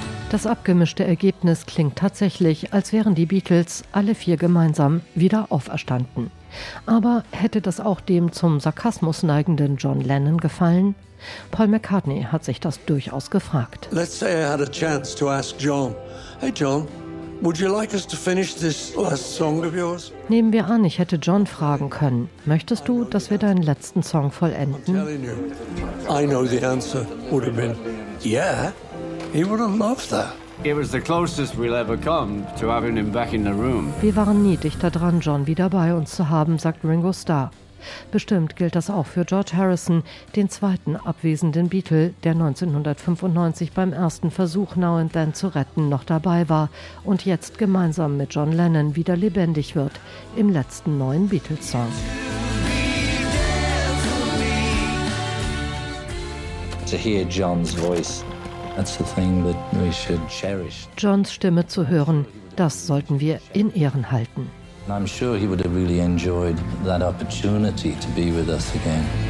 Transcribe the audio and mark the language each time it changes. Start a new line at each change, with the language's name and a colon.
German: Das abgemischte Ergebnis klingt tatsächlich, als wären die Beatles alle vier gemeinsam wieder auferstanden. Aber hätte das auch dem zum Sarkasmus neigenden John Lennon gefallen? Paul McCartney hat sich das durchaus gefragt.
English: Let's say I had a chance to ask John. Hey John, would you like us to finish this last song of yours?
German: Nehmen wir an, ich hätte John fragen können. Möchtest du, dass wir deinen letzten Song vollenden?
English: I'm telling you, I know the answer would have been yeah. He would have loved that. It was the closest we'll ever come to having him back in the room.
German: Wir waren nie dichter dran, John wieder bei uns zu haben, sagt Ringo Starr. Bestimmt gilt das auch für George Harrison, den zweiten abwesenden Beatle, der 1995 beim ersten Versuch, Now and Then zu retten, noch dabei war und jetzt gemeinsam mit John Lennon wieder lebendig wird, im letzten neuen Beatles-Song.
English: To hear John's voice. That's the thing that we should cherish.
German: Johns Stimme zu hören, das sollten wir in Ehren halten.
English: I'm sure he would have really enjoyed that opportunity to be with us again.